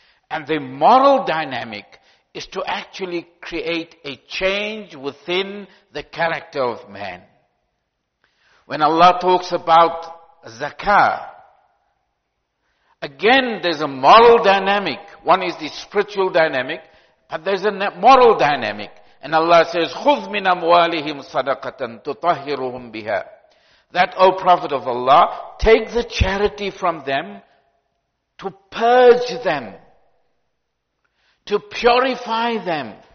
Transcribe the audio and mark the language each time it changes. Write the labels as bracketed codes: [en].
[en] And the moral dynamic is to actually create a change within the character of man. When Allah talks about zakah, again, there's a moral dynamic. One is the spiritual dynamic, but there's a moral dynamic. And Allah says, [ar] خُذْ مِنْ أَمْوَالِهِمْ صَدَقَةً تُطَهِّرُهُمْ بِهَا. [en] That, O Prophet of Allah, take the charity from them to purge them, to purify them.